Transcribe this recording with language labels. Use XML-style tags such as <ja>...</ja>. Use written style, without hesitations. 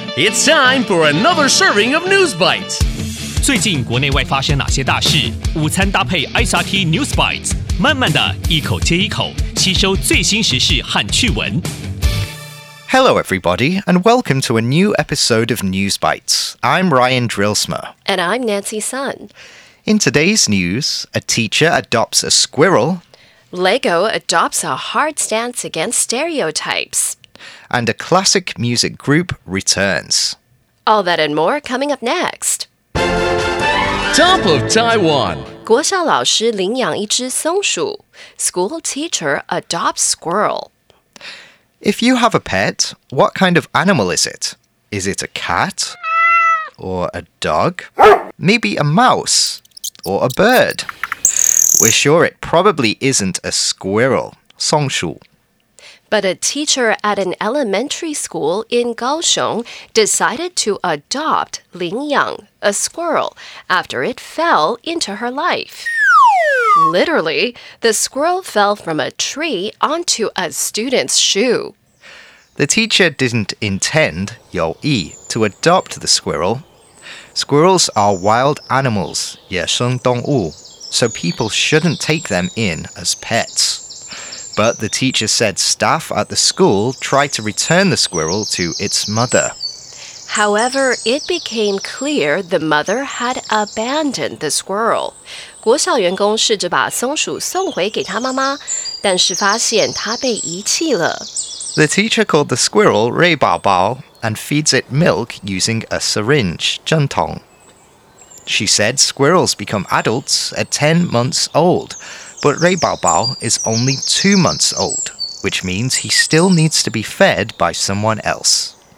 <en>It's time for another serving of News Bites.</en> <zh>最近国内外发生哪些大事？午餐搭配 SRT News Bites， 慢慢的一口接一口，吸收最新时事和趣闻。</zh> <en>Hello, everybody, and welcome to a new episode of News Bites. I'm Ryan Drilsmer. And I'm Nancy Sun. In today's news, a teacher adopts a squirrel. Lego adopts a hard stance against stereotypes. And a classic music group returns. All that and more coming up next. Top of Taiwan.</en> <zh>国小老师领养一只松鼠。</zh> <en>School teacher adopts squirrel. If you have a pet, what kind of animal is it? Is it a cat? Or a dog? Maybe a mouse? Or a bird? We're sure it probably isn't a squirrel, 松鼠. But a teacher at an elementary school in Kaohsiung decided to adopt Ling Yang, a squirrel, after it fell into her life. Literally, the squirrel fell from a tree onto a student's shoe. The teacher didn't intend, 有意, to adopt the squirrel. Squirrels are wild animals, 野生动物, so people shouldn't take them in as pets. But the teacher said staff at the school tried to return the squirrel to its mother. However, it became clear the mother had abandoned the squirrel.</en> <zh>国小员工试着把松鼠送回给他妈妈，但是发现他被遗弃了。</zh> <en>The teacher called the squirrel Ray 宝宝 and feeds it milk using a syringe, 针筒。 She said squirrels become adults at 10 months old, but Ray 宝宝 is only 2 months old, which means he still needs to be fed by someone else.</en>